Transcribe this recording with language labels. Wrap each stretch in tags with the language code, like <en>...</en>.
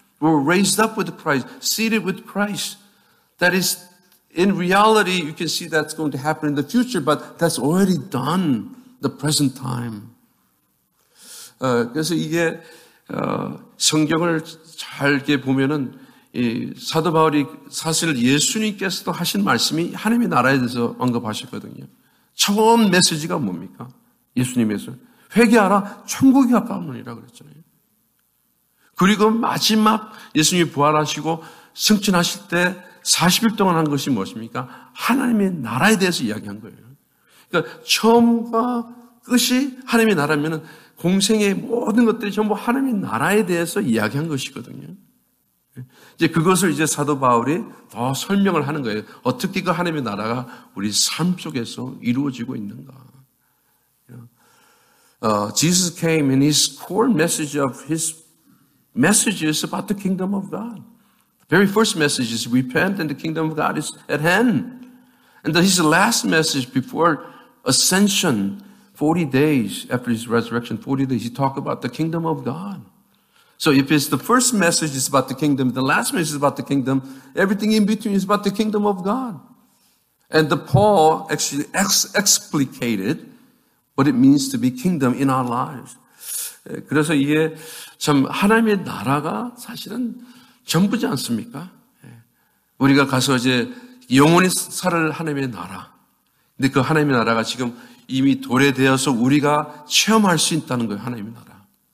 <en>We're raised up with Christ, seated with Christ. That is, in reality, you can see that's going to happen in the future, but that's already done the present time.</en> <ko>그래서 이게 성경을 잘 이렇게 보면은 이 사도 바울이 사실 예수님께서도 하신 말씀이 하나님의 나라에 대해서 언급하셨거든요. 처음 메시지가 뭡니까? 예수님에서 회개하라 천국이 가까우니라 그랬잖아요. 그리고 마지막 예수님이 부활하시고 승천하실 때 40일 동안 한 것이 무엇입니까? 하나님의 나라에 대해서 이야기한 거예요. 그러니까 처음과 끝이 하나님의 나라면은 공생의 모든 것들이 전부 하나님의 나라에 대해서 이야기한 것이거든요. 이제 그것을 이제 사도 바울이 더 설명을 하는 거예요. 어떻게 그 하나님의 나라가 우리 삶 속에서 이루어지고 있는가.</ko> <en>Jesus came and his core message of his message is about the kingdom of God. Very first message is repent and the kingdom of God is at hand. And his last message before ascension, 40 days after his resurrection, 40 days, he talked about the kingdom of God. So if it's the first message is about the kingdom, the last message is about the kingdom, everything in between is about the kingdom of God. And the Paul actually explicated what it means to be kingdom in our lives.</en> <ko>그래서 이게 참 하나님의 나라가 사실은 전부지 않습니까? 우리가 가서 이제 영원히 살을 하나님의 나라. 근데 그 하나님의 나라가 지금 이미 도래되어서 우리가 체험할 수 있다는 거예요. 하나님의 나라.</ko>